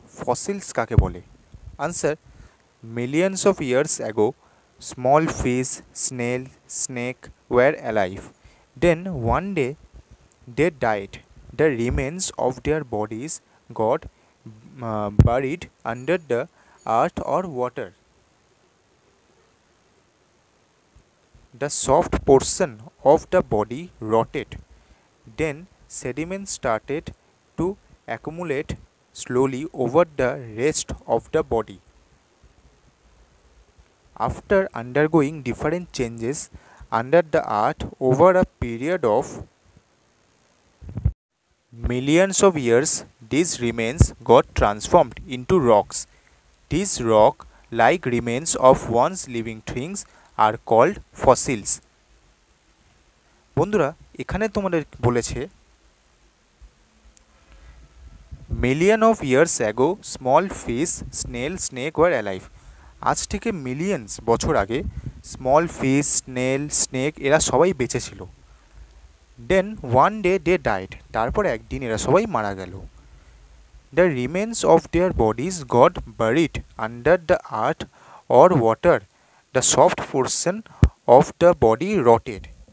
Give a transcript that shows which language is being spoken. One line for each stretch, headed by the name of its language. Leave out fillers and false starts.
Bangla: Fossils কাকে বলে?
English: Answer, millions of years ago small fish snail snake were alive, then one day they died, the remains of their bodies got buried under the earth or water. The soft portion of the body rotted, then sediment started to accumulate slowly over the rest of the body. After undergoing different changes under the earth over a period of millions of years, these remains got transformed into rocks. These rock-like remains of once living things are called fossils.
Bangla: বন্ধুরা, এখানে তোমাদের বলেছে
English: million of years ago small fish, snail, snake were alive.
Bangla: আজ থেকে millions বছর আগে small fish snail snake এরা সবাই বেঁচে ছিল।
English: then one day they died,
Bangla: তারপর একদিন এরা সবাই মারা গেল।
English: The remains of their bodies got buried under the earth or water, the soft portion of the body rotted.